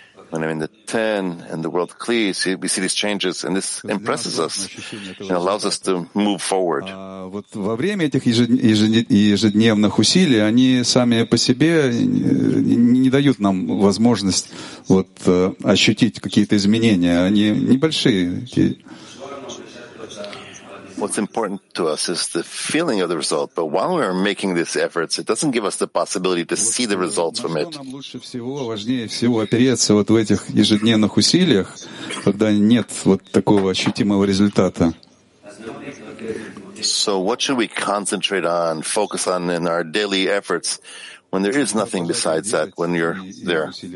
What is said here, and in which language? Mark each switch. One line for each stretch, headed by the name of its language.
English: When I'm in the 10 and the world clears, we see these changes, and this impresses us and allows us to move forward.
Russian: Вот во время этих ежедневных усилий они сами по себе не дают нам возможность вот ощутить какие-то изменения. Они небольшие.
English: What's important to us is the feeling of the result, but while we are making these efforts, it doesn't give us the possibility to see the results from it.
Russian: Важнее всего опереться вот в этих ежедневных усилиях, когда нет вот такого ощутимого результата.
English: So what should we concentrate on, focus on in our daily efforts when there is nothing besides that, when you're there?